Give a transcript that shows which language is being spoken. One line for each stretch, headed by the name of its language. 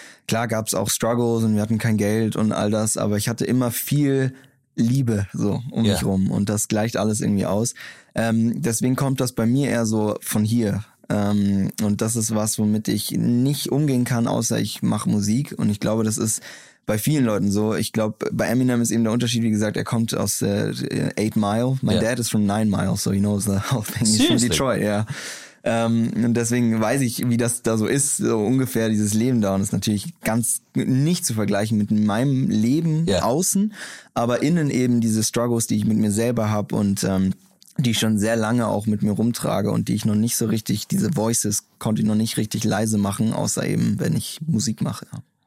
German: Klar gab es auch Struggles und wir hatten kein Geld und all das, aber ich hatte immer viel Liebe so um mich rum und das gleicht alles irgendwie aus. Deswegen kommt das bei mir eher so von hier. Und das ist was, womit ich nicht umgehen kann, außer ich mache Musik. Und ich glaube, das ist bei vielen Leuten so. Ich glaube, bei Eminem ist eben der Unterschied, wie gesagt, er kommt aus 8 Mile.
English: My dad is from 9 Mile, so he knows the whole thing. Seriously? He's from Detroit,
German: ja. Und deswegen weiß ich, wie das da so ist, so ungefähr dieses Leben da. Und ist natürlich ganz nicht zu vergleichen mit meinem Leben außen, aber innen eben diese Struggles, die ich mit mir selber habe und die ich schon sehr lange auch mit mir rumtrage und die ich noch nicht so richtig, diese Voices konnte ich noch nicht richtig leise machen, außer eben, wenn ich Musik mache, ja.